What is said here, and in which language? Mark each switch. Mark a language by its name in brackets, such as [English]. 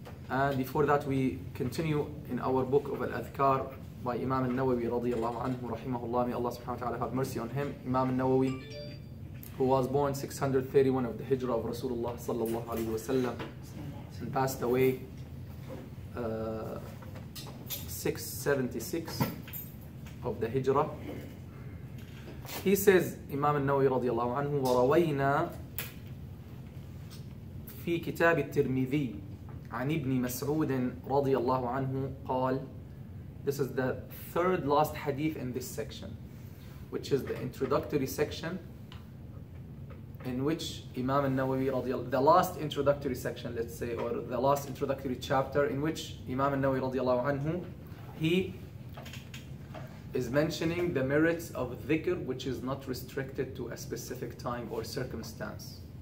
[English] And before that, we continue in our book of Al-Adhkar by Imam al-Nawawi radiyallahu anhu rahimahullah, may Allah subhanahu wa ta'ala have mercy on him. Imam al-Nawawi, who was born 631 of the Hijrah of Rasulullah sallallahu alayhi wa sallam, and passed away 676 of the Hijrah. He says, Imam al-Nawawi radiyallahu anhu, [Arabic] وَرَوَيْنَا فِي كِتَابِ التِّرْمِذِي عَنْ إِبْنِ مَسْعُودٍ رَضِيَ اللَّهُ عَنْهُ قَالْ. [English] This is the third last hadith in this section, which is the introductory section, in which Imam al-Nawawi radiyallahu, the last introductory section, let's say, or the last introductory chapter, in which Imam al-Nawawi radiyallahu anhu, he is mentioning the merits of dhikr, which is not restricted to a specific time or circumstance.